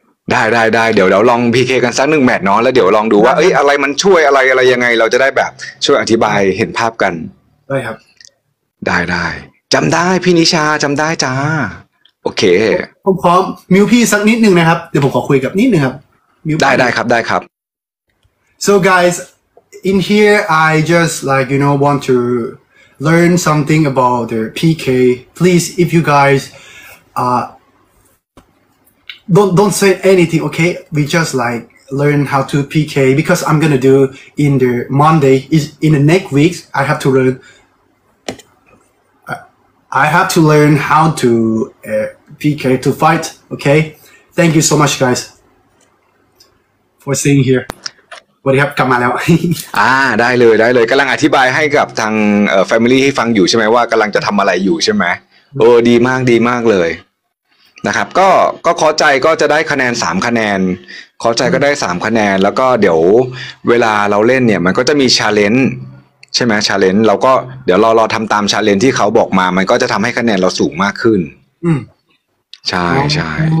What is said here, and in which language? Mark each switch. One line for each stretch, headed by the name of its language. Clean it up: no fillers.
Thai: ได้เดี๋ยวลอง PK กันสักหนึ่งแมตช์เนาะแล้วเดี๋ยวลองดูว่าเอ้ยอะไรมันช่วยอะไรยังไงเราจะได้แบบช่วยอธิบายเห็นภาพกัน ได้ครับ ได้จำได้พี่นิชาจำได้จ้าโอเค ผมพร้อมมิวพี่สักนิดนึงนะครับเดี๋ยวผมขอคุยกับนิดนึงครับ ได้ครับ
English: so guys in here I just like you know want to learn something about the PK please if you guys Don't say anything, okay? We just like learn how to PK because I'm gonna do in the Monday is in the next week. I have to learn how to PK to fight. Okay, thank you so much, guys, for staying here.
Thai: สวัสดีครับกลับมาแล้ว ได้เลยกำลังอธิบายให้กับทางFamilyให้ฟังอยู่ใช่ไหมว่ากำลังจะทำอะไรอยู่ใช่ไหมโอ้ดีมากเลยนะครับก็ขอใจก็จะได้คะแนน3คะแนนขอใจก็ได้3คะแนนแล้วก็เดี๋ยวเวลาเราเล่นเนี่ยมันก็จะมีชาเลนจ์ใช่ไหมชาเลนจ์เราก็เดี๋ยวรอทำตามชาเลนจ์ที่เขาบอกมามันก็จะทำให้คะแนนเราสูงมากขึ้นใช่